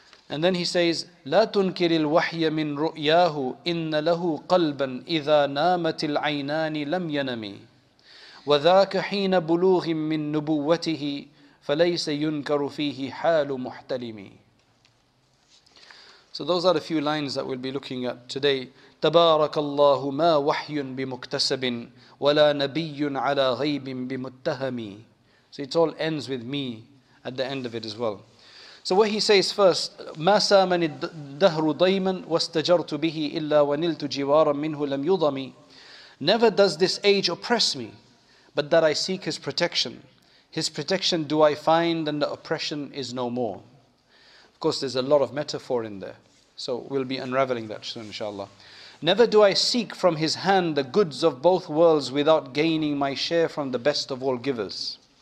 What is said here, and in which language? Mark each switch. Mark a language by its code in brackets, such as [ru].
[en] And then he says, [ar] لَا تُنْكِرِ الْوَحْيَ مِنْ رُؤْيَاهُ إِنَّ لَهُ قَلْبًا إِذَا نَامَتِ الْعَيْنَانِ لَمْ يَنَمِي وَذَاكَ حِينَ بُلُوغٍ مِنْ نُبُوَّتِهِ فَلَيْسَ يُنْكَرُ فِيهِ حَالُ مُحْتَلِمِي. [en] So those are the few lines that we'll be looking at today. [ar] تَبَارَكَ اللَّهُ مَا وَحْيٌ بِمُكْتَسَبٍ وَلَا نَبِيٌّ عَلَى غَيْبٍ بِمُتَّهَمِي. [en] So it all ends with me at the end of it as well. So what he says first, [ar] ما سامن الدهر ضيما واستجرت به إلا ونلت جوارا منه لم يضمي. [en] Never does this age oppress me, but that I seek his protection. His protection do I find, and the oppression is no more. Of course, there's a lot of metaphor in there. So we'll be unraveling that soon, inshallah. Never do I seek from his hand the goods of both worlds without gaining my share from the best of all givers.